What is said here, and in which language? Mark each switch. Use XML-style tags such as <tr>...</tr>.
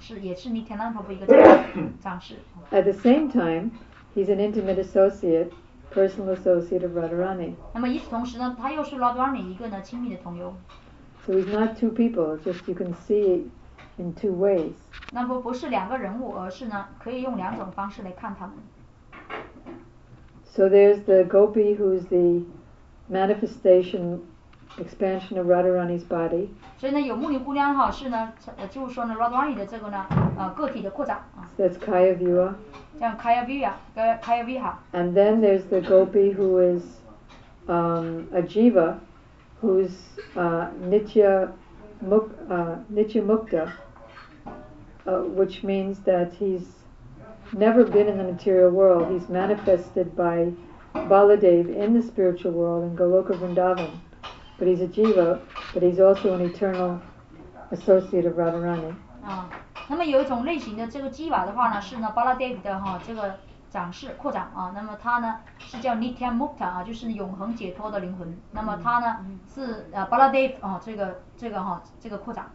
<en>At the same time, he's an intimate associate. Personal associate of Radharani.</en> <zh>那么与此同时呢，他又是 Radharani 一个呢亲密的同游。</zh> <en>So he's not two people, just you can see it in two ways.</en> <zh>那么不是两个人物，而是呢可以用两种方式来看他们。</zh> <en>So there's the gopi who's the manifestation expansion of Radharani's body.</en> <zh>所以呢，有牧女姑娘哈是呢，就是说呢 Radharani 的这个呢个体的扩展。</zh> <en>So、that's Kaya Viva.</en> <zh>叫 Kaya Viha, Kaya Viha.</zh> <en>And then there's the gopi who is a jiva, who's Nitya Mukta, which means that he's never been in the material world. He's manifested by Baladev in the spiritual world in Goloka Vrindavan. But he's a jiva, but he's also an eternal associate of Radharani.</en> <zh>那么有一种类型的这个基瓦的话呢，是呢巴拉德的哈这个展示扩展啊，那么它呢是叫 Nitya Mukta 啊，就是永恒解脱的灵魂。那么它呢是巴拉德啊这个哈这个扩展。</zh>